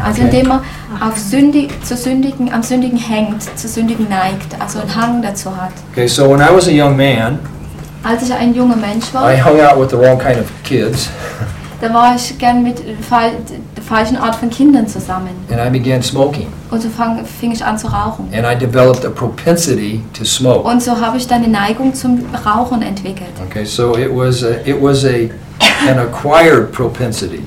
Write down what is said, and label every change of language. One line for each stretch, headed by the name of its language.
German: Also indem man am Sündigen hängt, zu Sündigen neigt, also einen Hang dazu hat.
English: Okay, so when I was a young man,
German: als ich ein junger Mensch war,
English: I hung out with the wrong kind of kids.
German: Da war ich gern mit der falschen Art von Kindern zusammen.
English: And I began smoking.
German: Und so fing ich an zu rauchen.
English: And I developed a propensity to smoke.
German: Und so habe ich dann eine Neigung zum Rauchen entwickelt.
English: Okay, so it was an acquired propensity.